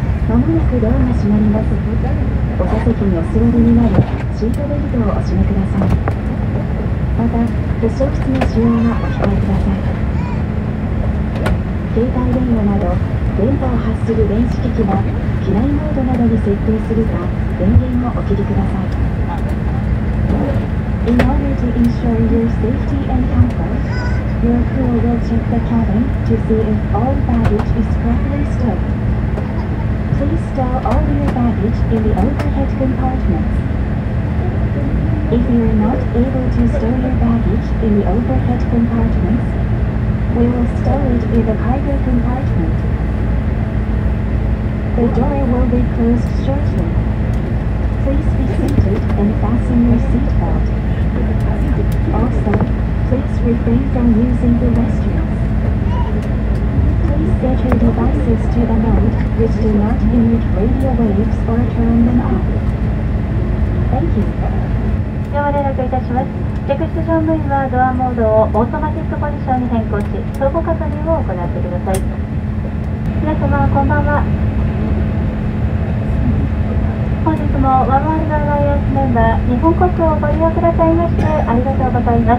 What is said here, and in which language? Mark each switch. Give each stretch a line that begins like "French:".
Japanese: まもなくドアが閉まります。お座席にお座りになりシートベルトをお締めください。また化粧室の使用はお控えください。携帯電話など電波を発する電子機器は機内モードなどに設定するか電源をお切りください。
English: In order to ensure your safety and comfort, your crew will check the cabin to see if all baggage is properly stowed. Please store all your baggage in the overhead compartments. If you are not able to store your baggage in the overhead compartments, we will stow it in the cargo compartment. The door will be closed shortly. Please be seated and fasten your seatbelt. Also, please refrain from using the restrooms. Please set your devices to the mode which do not emit radio waves or turn them off. Thank you.
Japanese: では連絡いたします。客室乗務員はドアモードをオートマティックポジションに変更し、走行確認を行ってください。皆様、こんばんは。本日もワンワールドアライアンスメンバー日本航空をご利用くださいましてありがとうございます。